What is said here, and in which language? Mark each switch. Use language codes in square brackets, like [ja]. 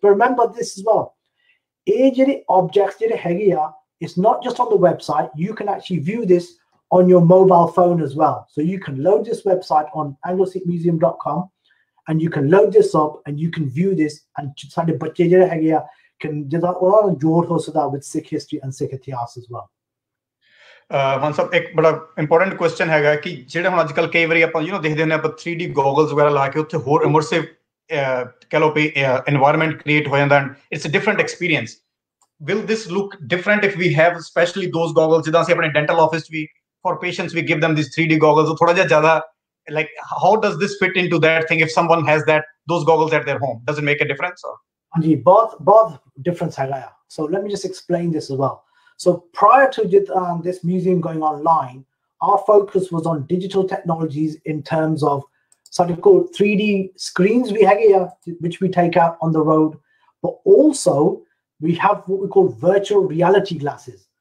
[en] But remember this as well. Objects, it's not just on the website. You can actually view this on your mobile phone as well. So you can load this website on anglosikhmuseum.com and you can load this up and you can view this, and can do that with Sikh history and Sikh history as well. [pa] ਹਾਂ sir, ਇੱਕ ਬੜਾ important question ਹੈਗਾ ਕਿ ਜਿਹੜਾ ਹੁਣ ਅੱਜ ਕੱਲ੍ਹ ਕਈ ਵਾਰੀ ਆਪਾਂ ਦੇਖਦੇ ਹੁੰਦੇ ਆਪਾਂ 3D ਗੋਗਲਸ ਵਗੈਰਾ ਲਾ ਕੇ ਉੱਥੇ ਹੋਰ ਇਮਰਸਿਵ ਕਹਿ ਲਓ ਵੀ ਇਨਵਾਇਰਮੈਂਟ ਕ੍ਰੀਏਟ ਹੋ ਜਾਂਦਾ, [en] It's different experience. Will this look different if we have specially those goggles, [pa] ਜਿੱਦਾਂ ਅਸੀਂ ਆਪਣੇ ਡੈਂਟਲ ਆਫਿਸ ਵੀ [en] For patients we give them this 3D goggles, ਉਹ ਥੋੜਾ ਜਿਹਾ like how does this fit into that thing if someone has that those goggles at their home, does it make a difference? [pa] ਹਾਂਜੀ, ਬਹੁਤ ਬਹੁਤ ਡਿਫਰੈਂਸ ਹੈਗਾ ਆ. [en] So let me just explain this as well. So prior to this museum going online, our focus was on digital technologies in terms of something called 3D screens we have here, which we take out on the road. But also, we have what we call virtual reality glasses.